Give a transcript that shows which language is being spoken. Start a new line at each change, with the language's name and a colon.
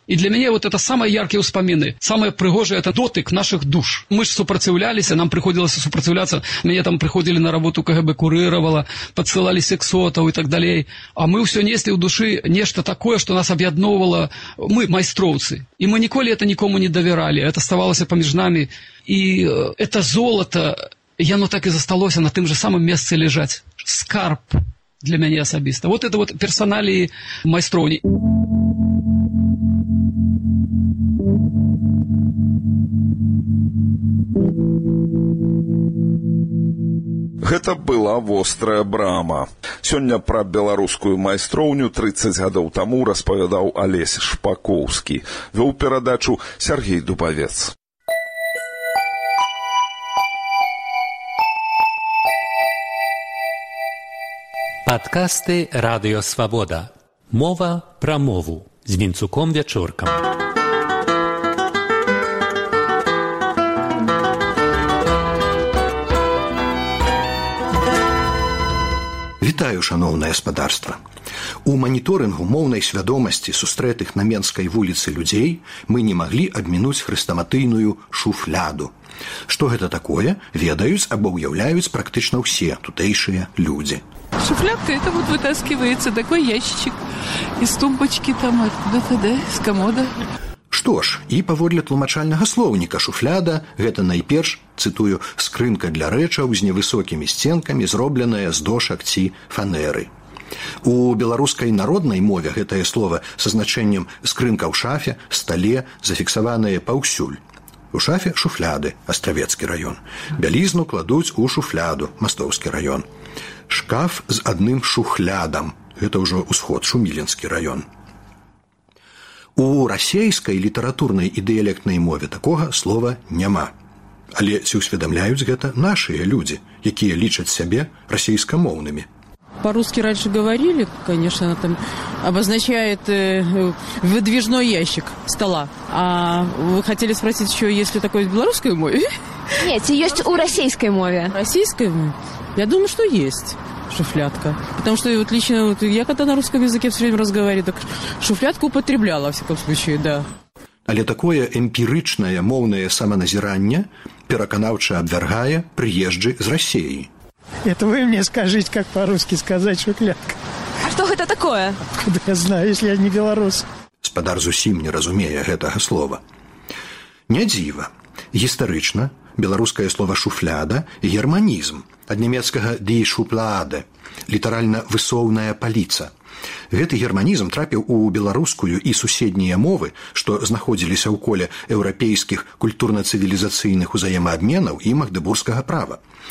Belarusian: І для мяне вот это самыя яркія ўспаміны, самыя прыгожыя это дотык наших душ. Мы ж супраціўляліся, нам прыходзілася супраціўляцца. Мяне там прыходзілі на работу КГБ курыравала, падсылалі сексотаў і так далей. А мы ўсё неслі ў душы нешта такое, што нас аб'ядноўвала. Мы майстроўцы. І мы ніколі это нікому не давяралі. Это ставалася паміж намі. І это золата, яно так і засталося на тым же самым месцы лежаць. Скарб. Для мяне асабіста. Вот это вот персоналі майстроўні. Гэта была вострая брама. Сёння пра беларускую майстроўню 30 гадоў таму распавядаў Алесь Шпаковскі. Вёў перадачу Сергей Дубавец. Падкасты Радыё Свабода. Мова пра мову з Вінцуком Вячоркам. Вітаю, шановнае спадарства. У маніторынгу моўнай свядомасці сустрэтых на Менскай вуліцы людзей мы не маглі абмінуць хрэстаматыйную шуфляду. Што гэта такое, ведаюць або ўяўляюць практычна ўсе тутэйшыя людзі.
Russian: Шуфлядка – это вот вытаскивается такой ящичек из тумбочки там, да-да-да, из комода.
Belarusian: Што ж, і паводле тлумачальнага слоўніка шуфляда – гэта найперш, цытую, скрынка для рэчаў з невысокімі сценкамі, зробленая з дошак ці фанеры. У беларускай народнай мове гэтае слова са значэннем «скрынка ў шафе», «стале», зафіксаванае паўсюль. У шафе шуфляды, Астравецкі район. Бялізну кладуць у шуфляду, Мастоўскі район. Шкаф з адным шухлядам, гэта ўжо ўсход, Шумілінскі район. У расейскай літаратурнай і дыялектнай мове такога слова няма. Але ці ўсведамляюць гэта нашыя людзі, якія лічаць сябе расейскамоўнымі.
Russian: По-русски раньше говорили, конечно, она там обозначает выдвижной ящик стола. А вы хотели спросить еще, есть ли такое в белорусской мове? Нет, есть у российской мове. Российской мове? Я думаю, что есть шуфлядка. Потому что вот лично вот, я когда на русском языке все время разговариваю, так шуфлядку употребляла, во всяком случае, да.
Belarusian: Але такое эмпирычное мовное самоназирание пераканаўча абвяргае
Russian: приезжи из России. Это вы мне скажите, как по-русски сказать шуфлядка. А что это такое? Откуда я знаю, если я не белорус?
Belarusian: Спадар зусім не разумея гэтага слова. Не дзіва. Гістарычна беларускае слова шуфляда – германізм, ад нямецкага «die Schublade», літаральна «высоўная паліца». Гэты германізм трапіў у беларускую і суседнія мовы, што знаходзіліся ў коле еўрапейскіх культурна-цывілізацыйных узаемаабменаў і магдэбургскага права.